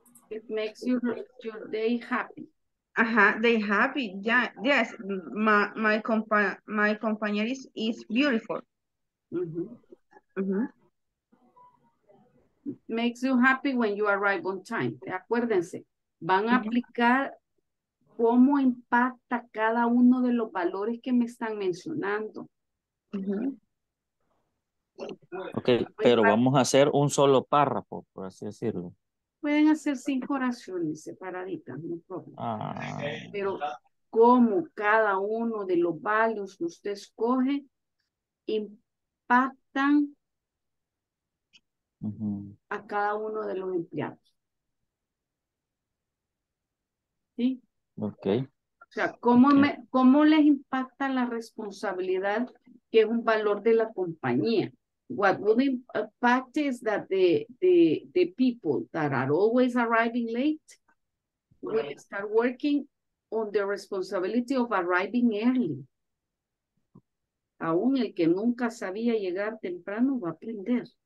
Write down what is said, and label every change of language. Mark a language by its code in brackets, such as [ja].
[en] It makes your day happy. Ajá, day happy. Yeah, yes. My companion is beautiful. Makes you happy when you arrive on time. [es] Acuérdense, van a aplicar cómo impacta cada uno de los valores que me están mencionando. Ok, pero vamos a hacer un solo párrafo, por así decirlo. Pueden hacer 5 oraciones separaditas, no problema. Ah. Pero cómo cada uno de los valores que usted escoge impactan a cada uno de los empleados. ¿Sí? Ok. O sea, ¿cómo, okay. ¿Cómo les impacta la responsabilidad que es un valor de la compañía? [en] What would impact is that the people that are always arriving late will start working on the responsibility of arriving early. [es] Aún el que nunca sabía llegar temprano va a aprender.